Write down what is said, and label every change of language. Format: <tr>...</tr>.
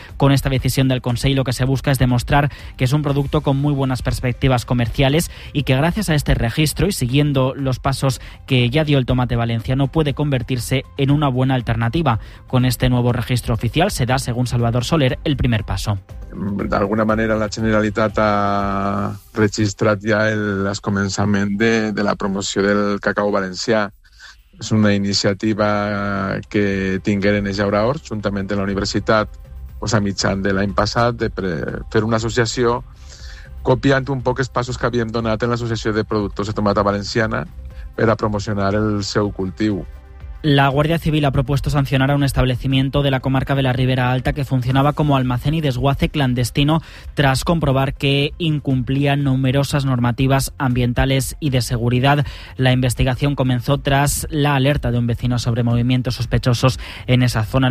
<es>Con esta decisión del Consejo, lo que se busca es demostrar que es un producto con muy buenas perspectivas comerciales y que gracias a este registro y siguiendo los pasos que ya dio el tomate valenciano, puede convertirse en una buena alternativa. Con este nuevo registro oficial se da, según Salvador Soler, el primer primer paso.</es> <ca>De alguna manera la Generalitat ha registrat ja el començament de la promoció del cacau valencià. És una iniciativa que tingueren els llauradors juntament amb la universitat a mitjan de l'any passat de fer una associació copiant un poc els passos que havíem donat en l'Associació de Productors de Tomata Valenciana per a promocionar el seu cultiu.</ca> <es>La Guardia Civil ha propuesto sancionar a un establecimiento de la comarca de la Ribera Alta que funcionaba como almacén y desguace clandestino tras comprobar que incumplía numerosas normativas ambientales y de seguridad. La investigación comenzó tras la alerta de un vecino sobre movimientos sospechosos en esa zona.</es>